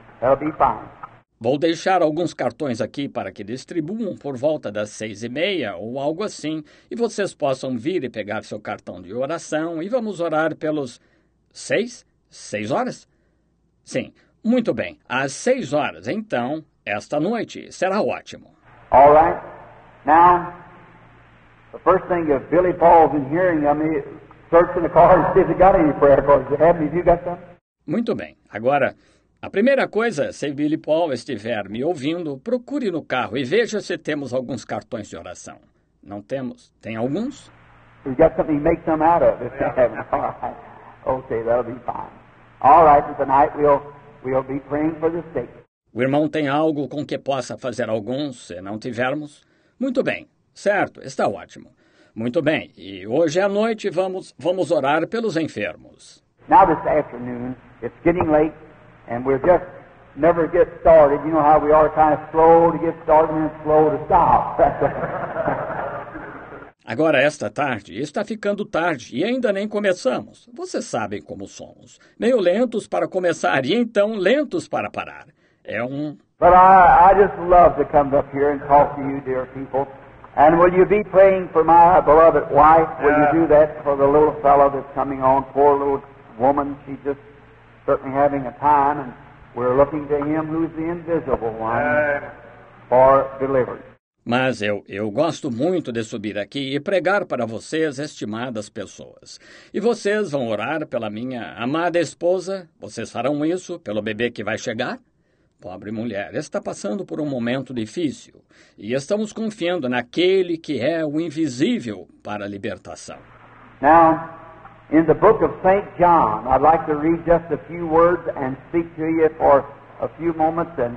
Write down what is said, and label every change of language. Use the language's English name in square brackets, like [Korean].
[English] That'll be fine. [Portuguese] Vou deixar alguns cartões aqui para que distribuam por volta das 6:30 ou algo assim, e vocês possam vir e pegar seu cartão de oração e vamos orar pelos 6 horas? Sim, muito bem. Às 6 horas, então, esta noite será ótimo. [English] All right. Now, the first thing if Billy Paul's been hearing, I mean, searching the car and see if he got any prayer cards. Have you got some? [Portuguese] Muito bem. Agora, a primeira coisa, se Billy Paul estiver me ouvindo, procure no carro e veja se temos alguns cartões de oração. Não temos? Tem alguns? [English] We've got something to make some out of. All right. Okay, that'll be fine. All right, tonight we'll be praying for the sick. [Portuguese] O irmão tem algo com que possa fazer algum, se não tivermos? Muito bem. Certo, está ótimo. Muito bem. E hoje à noite vamos orar pelos enfermos. [English] Now this afternoon, it's getting late, and we're just never get started. You know how we are, kind of slow to get started and slow to stop. [Portuguese] Agora, esta tarde, está ficando tarde e ainda nem começamos. Vocês sabem como somos. Meio lentos para começar e então lentos para parar. É um... [English] But I just love to come up here and talk to you, dear people. And will you be praying for my beloved wife? Will you do that for the little fellow that's coming on? Poor little woman, she's just certainly having a time. And we're looking to him who's the invisible one for deliverance. [Portuguese] Mas eu gosto muito de subir aqui e pregar para vocês, estimadas pessoas. E vocês vão orar pela minha amada esposa? Vocês farão isso pelo bebê que vai chegar? Pobre mulher, está passando por um momento difícil. E estamos confiando naquele que é o invisível para a libertação. [English] Now, in the book of St. John, I'd like to read just a few words and speak to you for a few moments